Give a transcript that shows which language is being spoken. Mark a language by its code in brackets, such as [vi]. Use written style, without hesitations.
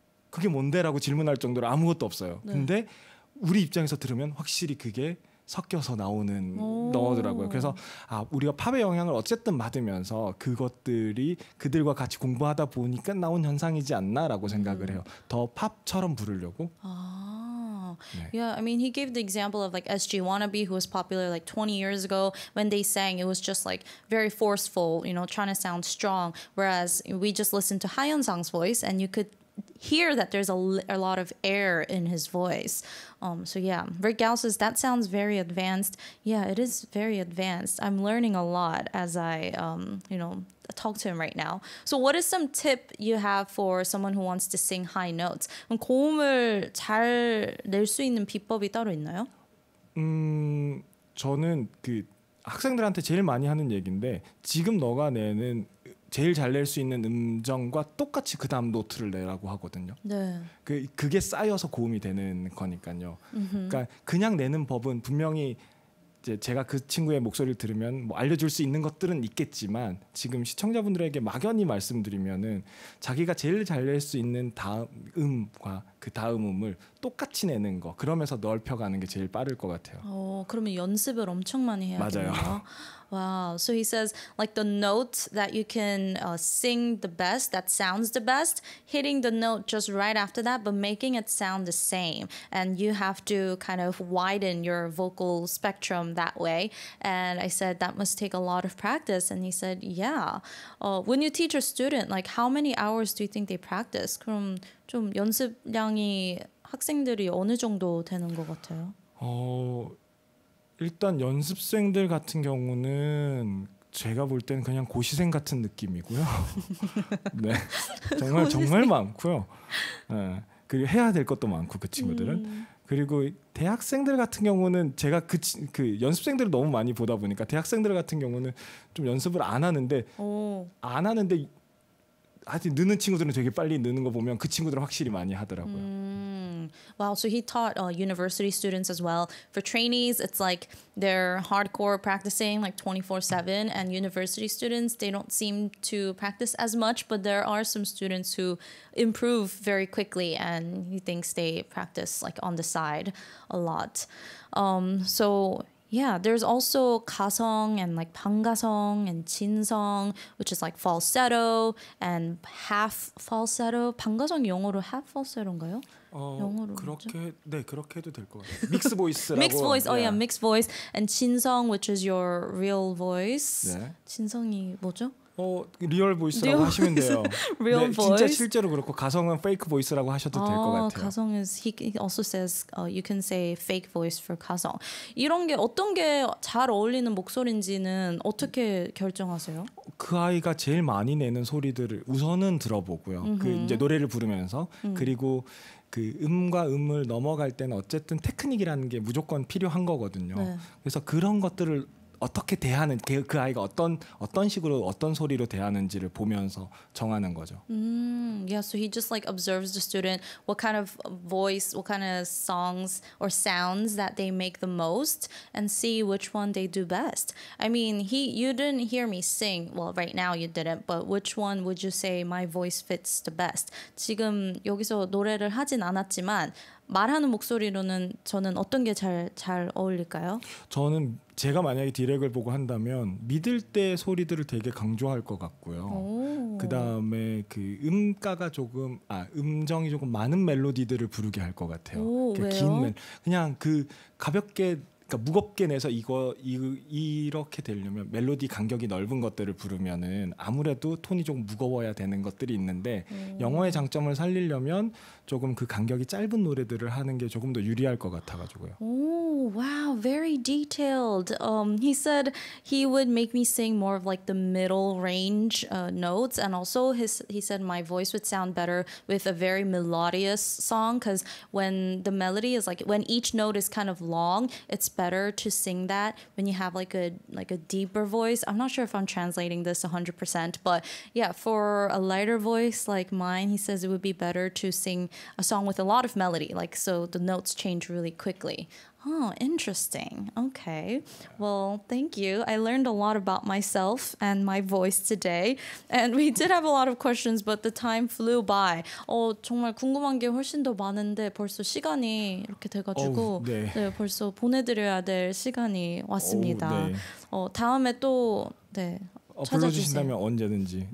[ko] 그게 뭔데라고 질문할 정도로 아무것도 없어요. 네. 근데 우리 입장에서 들으면 확실히 그게 섞여서 나오는 넣어더라고요. 그래서 아 우리가 팝의 영향을 어쨌든 받으면서 그것들이 그들과 같이 공부하다 보니까 나온 현상이지 않나라고 생각을 해요. 더 팝처럼 부르려고. 네. [en] Yeah, I mean, he gave the example of like SG Wannabe, who was popular like 20 years ago. When they sang, it was just like very forceful, you know, trying to sound strong. Whereas we just listened to Hyunsang's voice and you could hear that there's a lot of air in his voice. So yeah, Rick Gao says that sounds very advanced. Yeah, it is very advanced. I'm learning a lot as I, you know, talk to him right now. So what is some tip you have for someone who wants to sing high notes? [ko] 고음을 잘 낼 수 있는 비법이 따로 있나요? 저는 그 학생들한테 제일 많이 하는 얘기인데 지금 너가 내는 제일 잘 낼 수 있는 음정과 똑같이 그 다음 노트를 내라고 하거든요. 네. 그게 쌓여서 고음이 되는 거니까요. 그러니까 그냥 내는 법은 분명히 제가 그 친구의 목소리를 들으면 뭐 알려줄 수 있는 것들은 있겠지만 지금 시청자분들에게 막연히 말씀드리면은 자기가 제일 잘 낼 수 있는 다음 음과 그 다음 음을 똑같이 내는 거 그러면서 넓혀가는 게 제일 빠를 것 같아요. 어, 그러면 연습을 엄청 많이 해야 맞아요. 되나요? Wow. [en] So he says like the note that you can sing the best, that sounds the best, hitting the note just right after that, but making it sound the same. And you have to kind of widen your vocal spectrum that way. And I said that must take a lot of practice. And he said, yeah. When you teach a student, like how many hours do you think they practice? [ko] 그럼 좀 연습량이 학생들이 어느 정도 되는 것 같아요? 일단 연습생들 같은 경우는 제가 볼 때는 그냥 고시생 같은 느낌이고요. 네, 정말 정말 많고요. 네. 그리고 해야 될 것도 많고 그 친구들은 그리고 대학생들 같은 경우는 제가 그 연습생들을 너무 많이 보다 보니까 대학생들 같은 경우는 좀 연습을 안 하는데 안 하는데 아직 느는 친구들은 되게 빨리 느는 거 보면 그 친구들은 확실히 많이 하더라고요. [en] Wow, so he taught university students as well. For trainees, it's like they're hardcore practicing like 24/7, and university students, they don't seem to practice as much, but there are some students who improve very quickly, and he thinks they practice like on the side a lot. So yeah, there's also 가성 and like 반가성 and 진성, which is like falsetto and half falsetto. [ko] 반가성 영어로 half falsetto인가요? 영어로 그렇게 네 그렇게 해도 될 것 같아요. Mixed voice라고. [en] Mixed voice. Oh yeah, mixed voice. And 진성, which is your real voice. 네. [ko] 진성이 뭐죠? 리얼 보이스라고 real 하시면 [en] voice. [ko] 돼요. [en] Real voice. [ko] 진짜 실제로 그렇고 가성은 fake voice라고 하셔도 될 것 같아요. [en] 가성 is he also says you can say fake voice for 가성. [ko] 이런 게 어떤 게 잘 어울리는 목소리인지는 어떻게 결정하세요? 그 아이가 제일 많이 내는 소리들을 우선은 들어보고요. 그 이제 노래를 부르면서 그리고 그 음과 음을 넘어갈 때는 어쨌든 테크닉이라는 게 무조건 필요한 거거든요. 네. 그래서 그런 것들을 어떻게 대하는 그 아이가 어떤 식으로 어떤 소리로 대하는지를 보면서 정하는 거죠. [en] Yeah, so he just like observes the student what kind of voice, what kind of songs or sounds that they make the most and see which one they do best. I mean, you didn't hear me sing. Well, right now you didn't, but which one would you say my voice fits the best? [ko] 지금 여기서 노래를 하진 않았지만 말하는 목소리로는 저는 어떤 게 잘 어울릴까요? 저는 제가 만약에 디렉을 보고 한다면 믿을 때 소리들을 되게 강조할 것 같고요. 그다음에 그 음가가 조금 음정이 조금 많은 멜로디들을 부르게 할 것 같아요. 그냥 그 가볍게 그러니까 무겁게 내서 이렇게 되려면 멜로디 간격이 넓은 것들을 부르면은 아무래도 톤이 조금 무거워야 되는 것들이 있는데 영어의 장점을 살리려면 조금 그 간격이 짧은 노래들을 하는 게 조금 더 유리할 것 같아가지고요. [en] Oh, wow, very detailed. He said he would make me sing more of like the middle range notes, and also he said my voice would sound better with a very melodious song, because when the melody is like when each note is kind of long, it's better to sing that when you have like a deeper voice. I'm not sure if I'm translating this 100%, but yeah, for a lighter voice like mine, he says it would be better to sing a song with a lot of melody, like so the notes change really quickly. Oh, interesting. Okay. Well, thank you. I learned a lot about myself and my voice today. And we did have a lot of questions, but the time flew by. [ko] 정말 궁금한 게 훨씬 더 많은데 벌써 시간이 이렇게 돼가지고 네. 네, 벌써 보내드려야 될 시간이 왔습니다. 다음에 또 네. 불러주신다면 언제든지.